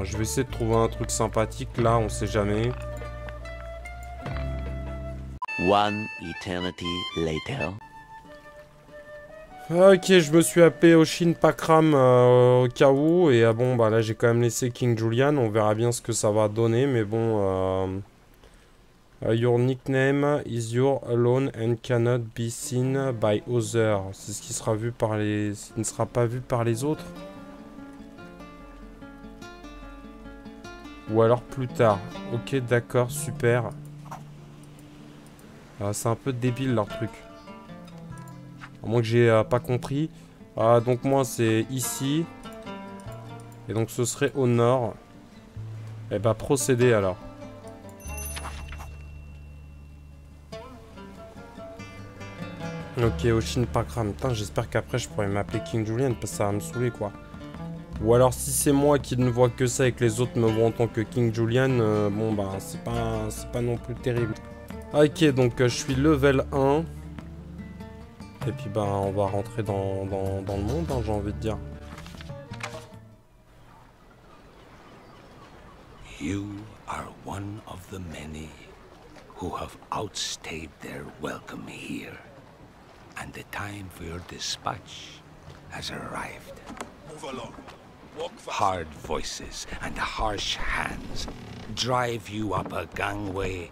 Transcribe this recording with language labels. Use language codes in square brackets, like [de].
[fr] Je vais essayer de trouver un truc sympathique là, on sait jamais. [en] One eternity later. [fr] Ok, je me suis appelé Oshin Pakram au cas où. Et bon, bah là, j'ai quand même laissé King Julian. On verra bien ce que ça va donner. Mais bon, [en] your nickname is your alone and cannot be seen by others. [fr] C'est ce qui sera vu par les... Ce ne sera pas vu par les autres. Ou alors plus tard. Ok, d'accord, super. C'est un peu débile leur truc. À moins que j'ai pas compris. Donc moi c'est ici. Et donc ce serait au nord. Et bah procéder alors. Ok, Oshin Pakram. Putain, j'espère qu'après je pourrais m'appeler King Julian parce que ça va me saouler quoi. Ou alors si c'est moi qui ne vois que ça et que les autres me voient en tant que King Julian, bon bah c'est pas non plus terrible. Ok, donc je suis level 1. Et puis ben, on va rentrer dans le monde, hein, j'ai envie de dire. [en] You are one of the many who have outstayed their welcome here, and the time for your dispatch has arrived. Move along. Walk fast. Hard voices and harsh hands drive you up a gangway